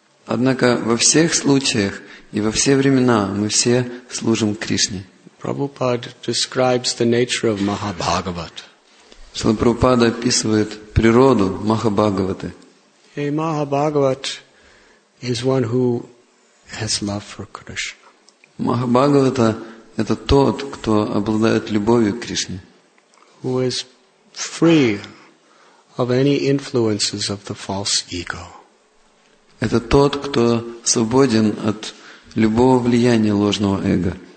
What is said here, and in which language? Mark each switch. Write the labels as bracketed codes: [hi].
[ru] Однако во всех случаях и во все времена мы все служим Кришне. [en] Prabhupada describes the nature of Mahabhagavat. [ru] Шрила Прабхупада описывает природу Махабхагаваты. [en] A Mahabhagavat is one who has love for Krishna. [ru] Махабхагавата это тот, кто обладает любовью к Кришне. [en] Who is free of any influences of the false ego. [ru] Это тот, кто свободен от любого влияния ложного эго.